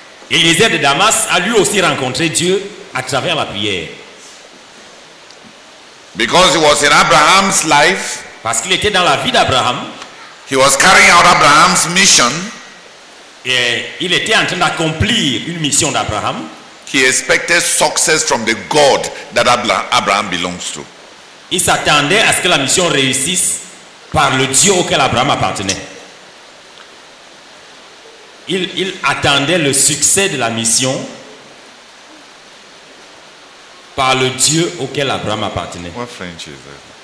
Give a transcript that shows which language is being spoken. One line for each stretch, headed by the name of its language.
French: Eliezer de Damas a lui aussi rencontré Dieu à travers la prière.
English: Because he was in Abraham's life.
French: Parce qu'il était dans la vie d'Abraham.
English: He was carrying out Abraham's mission.
French: Et il était en train d'accomplir une mission d'Abraham.
English: He expected success from the God that Abraham belongs to.
French: Il s'attendait à ce que la mission réussisse par le Dieu auquel Abraham appartenait. Il attendait le succès de la mission par le Dieu auquel Abraham appartenait.
English: What French is that?